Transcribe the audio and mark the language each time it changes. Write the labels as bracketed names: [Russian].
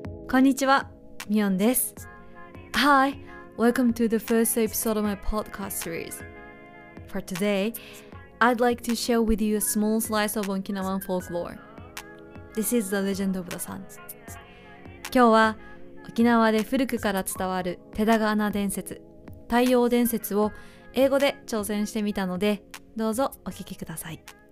[Japanese] こんにちは、ミヨンです。 [English] Hi, welcome to the first episode of my podcast series. For today, I'd like to share with you a small slice of Okinawan folklore. This is the legend of the sun. [Japanese] 今日は沖縄で古くから伝わる手田川伝説、太陽伝説を英語で挑戦してみたので、どうぞお聞きください。